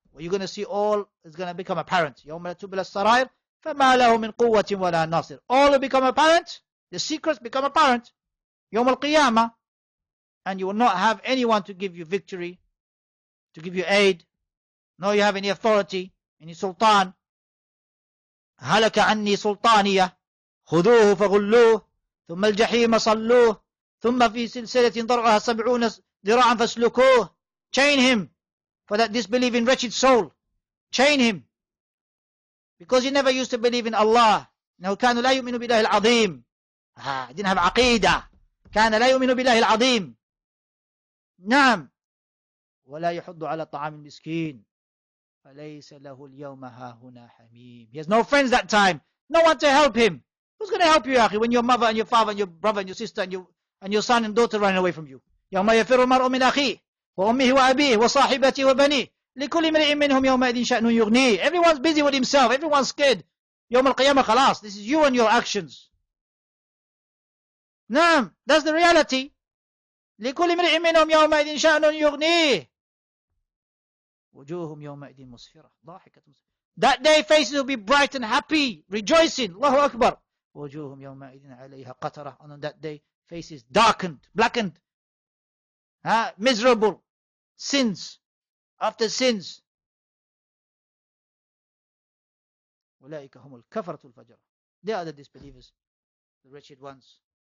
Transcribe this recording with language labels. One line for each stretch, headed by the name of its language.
English: What you're going to see all is going to become apparent.
Arabic: يَوْمَ لَتُبْلَى السَّرَائِرُ فَمَا لَهُ مِنْ قُوَّةٍ وَلَا نَاصِرٍ.
English: All will become apparent. The secrets become apparent.
Arabic: يَوْمَ الْقِيَامَةِ.
English: And you will not have anyone to give you victory, to give you aid, nor you have any authority.
Arabic: إني سلطان هلك عني سلطانية خذوه فغلوه ثم الجحيم صلوه ثم في سلسلة ضرعها 70 ذراعا فاسلكوه.
English: Chain him for that disbelieving wretched soul. Chain him because he never used to believe in Allah.
Arabic: إنه كان لا يؤمن بالله العظيم. دينها بعقيدة. كان لا يؤمن بالله العظيم. نعم. ولا يحض على طعام المسكين. فليس له اليوم هاهنا حميم.
English: He has no friends that time. No one to help him. Who's going to help you,
Arabic: أخي,
English: when your mother and your father and your brother and your sister and your son and daughter running away from you?
Arabic: يوم يفر المرء من أخيه وأمه وأبيه وصاحبته وبنيه لكل امرئ منهم يومئذ شأن يغنيه.
English: Everyone's busy with himself. Everyone's scared.
Arabic: يوم القيامة خلاص.
English: This is you and your actions.
Arabic: نعم.
English: That's the reality.
Arabic: لكل امرئ منهم يومئذ شأن يغنيه. وجوههم يومئذ مسفرة ضاحكة.
English: That day faces will be bright and happy, rejoicing.
Arabic: الله أكبر. وجوههم يومئذ عليها قترة.
English: And on that day faces darkened, blackened. Miserable. Sins after sins.
Arabic: أولئك هم الكفرة الفجرة.
English: They are the disbelievers, the wretched ones.